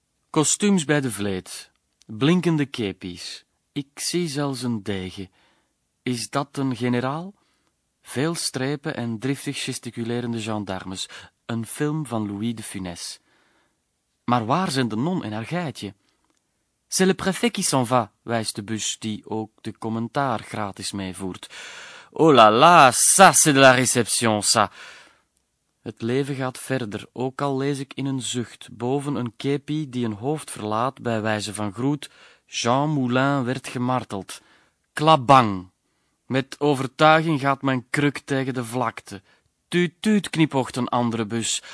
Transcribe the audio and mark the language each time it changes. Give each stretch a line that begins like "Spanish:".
Dutch: Kostuums bij de vleet, blinkende kepies, ik zie zelfs een degen. Is dat een generaal? Veel strepen en driftig gesticulerende gendarmes, een film van Louis de Funès. Maar waar zijn de non en haar geitje?
French: C'est le préfet qui s'en va,
Dutch: wijst de bus die ook de commentaar gratis meevoert.
French: Oh là là, ça c'est de la réception, ça.
Dutch: Het leven gaat verder, ook al lees ik in een zucht, boven een képi die een hoofd verlaat bij wijze van groet, Jean Moulin werd gemarteld. Klabang! Met overtuiging gaat mijn kruk tegen de vlakte. Tuut, tuut, knipoogt een andere bus.